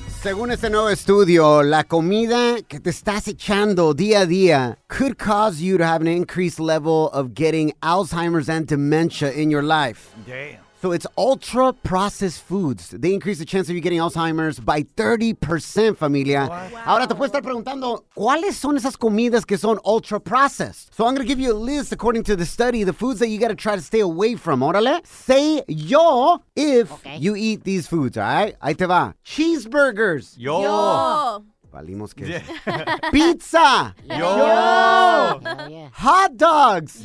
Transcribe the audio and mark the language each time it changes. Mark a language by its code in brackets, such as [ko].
[es] Según este nuevo estudio, la comida que te estás echando día a día [en] could cause you to have an increased level of getting Alzheimer's and dementia in your life. Damn. So it's ultra processed foods. They increase the chance of you getting Alzheimer's by 30%, familia. Wow. [es] Ahora te puedes estar preguntando, ¿cuáles son esas comidas que son [en] ultra processed? So I'm going to give you a list according to the study, the foods that you got to try to stay away from, órale. Say yo if you eat these foods, all right? [es] Ahí te va. Cheeseburgers. [en] Yo. Yo. [es] Valimos que [en] yeah. [es] Pizza. [en] Yo. Yo. Hot dogs.